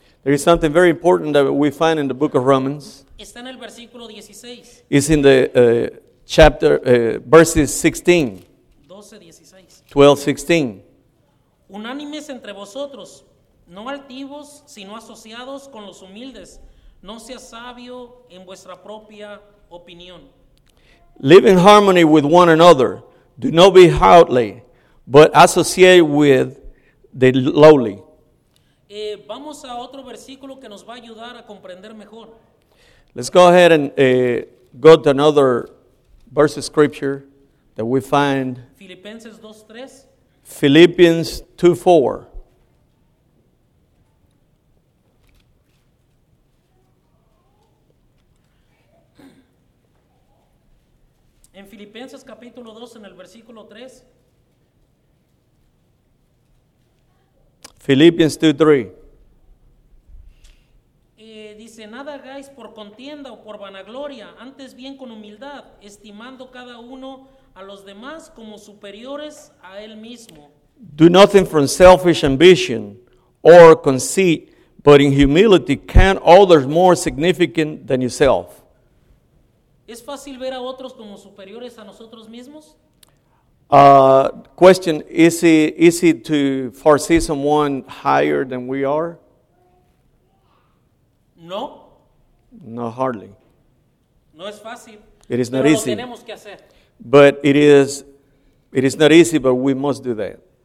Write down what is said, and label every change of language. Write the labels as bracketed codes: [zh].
[en] There is something very important that we find in the book of Romans. [es] Está en el versículo 16. [en] It's in the verses 16. 12:16. [es] Unánimes entre vosotros, no altivos, sino asociados con los humildes. No sea sabio en vuestra propia opinión. [en] Live in harmony with one another. Do not be haughty, but associate with the lowly. [es] Vamos a otro versículo que nos va a ayudar a comprender mejor. [en] Let's go ahead and go to another verse of scripture that we find. [es] Filipenses 2:3. [en] Philippians 2:4. [es] En Filipenses capítulo 2 en el versículo 3. [en] Philippians 2:3. [es] Dice, nada hagáis por contienda o por vanagloria, antes bien con humildad, estimando cada uno a los demás como superiores a él mismo. [en] Do nothing from selfish ambition or conceit, but in humility count others more significant than yourself. [es] ¿Es fácil ver a otros como superiores a nosotros mismos? [en] Question, is it to foresee someone higher than we are? [es] No. [en] No, hardly. [es] No es fácil. [en] It is [es] pero [en] not easy. [es] Lo tenemos que hacer. [en] But it is not easy, but we must do that.